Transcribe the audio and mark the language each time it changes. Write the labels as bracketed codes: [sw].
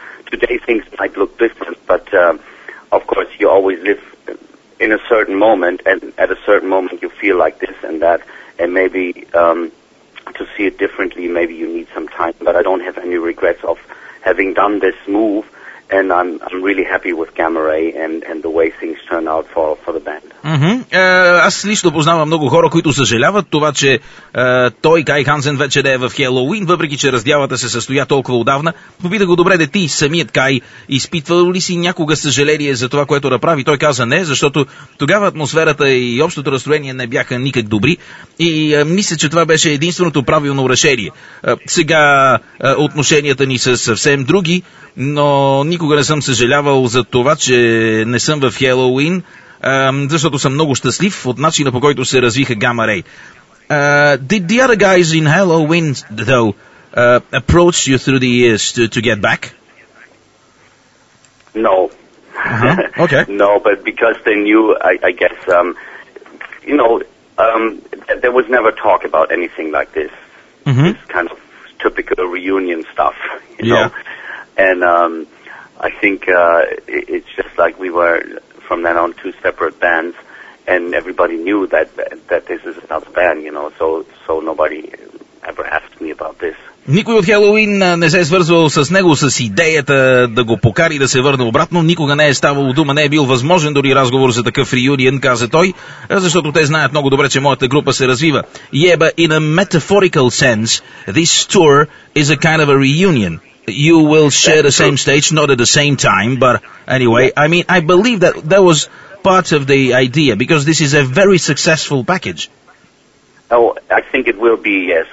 [en] Today things might look different, but of course you always live in a certain moment, and at a certain moment you feel like this and that, and maybe to see it differently, maybe you need some time, but I don't have any regrets of having done this move, and I'm really happy with Gamma Ray and the way things turn out for the band. Mm-hmm. [bg] Аз лично познавам много хора, които съжаляват това, че той, Кай Хансен, вече не е в Хелоуин, въпреки че раздялата се състоя толкова отдавна. Попитах го, добре, де ти, самият Кай, изпитвал ли си някога съжаление за това, което направи? Той каза не, защото тогава атмосферата и общото разстроение не бяха никак добри и мисля, че това беше единственото правилно решение. Сега отношенията ни са съвсем други, но никога не съм съжалявал за това, че не съм в Хелоуин. Защото съм много щастлив от начина, по който се развиха Gamma Ray. [en] Did the other guys in Halloween, though, approach you through the years to get back? No. Uh-huh. Okay. No, but because they knew, I guess, you know, there was never talk about anything like this. Mm-hmm. This kind of typical reunion stuff, you yeah. know. And I think it's just like we were from then on two separate bands, and everybody knew that this is another band, you know, so nobody ever asked me about this. [bg] Никой от Хелоуин не се е свързвал с него с идеята да го покари да се върне обратно. Никога не е ставало дума, не е бил възможен дори разговор за такъв реюнион, каза той, защото те знаят много добре, че моята група се развива. [en] Yeah, in a metaphorical sense, this tour is a kind of a reunion. You will share the same stage, not at the same time, but anyway, I mean, I believe that that was part of the idea, because this is a very successful package. Oh, I think it will be, yes.